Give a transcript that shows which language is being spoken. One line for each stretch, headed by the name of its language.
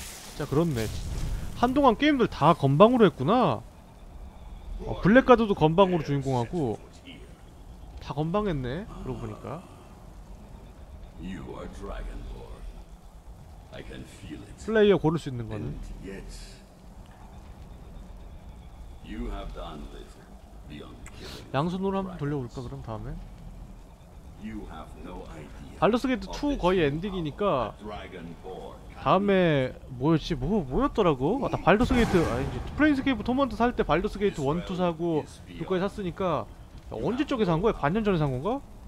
Korean: 진짜 그렇네. 한동안 게임들 다 건방으로 했구나. 어, 블랙가드도 건방으로 주인공하고 다 건방했네. 그러고 보니까.
English: You are Dragonborn. I can feel it.
Korean: 플레이어 고를 수 있는 거는.
English: You have done this beyond killing.
Korean: 양손으로 한번 돌려볼까 그럼 다음에.
English: You have no idea.
Korean: 발더스 게이트 2 거의 엔딩이니까 다음에 뭐였지? 뭐였더라고? 아, 발더스 게이트. 아, 이제 플레인스케이프 토먼트 살 때 발더스 게이트 1, 2 사고 그거에 샀으니까 언제 쪽에 산 거야? 반년 전에 산 건가?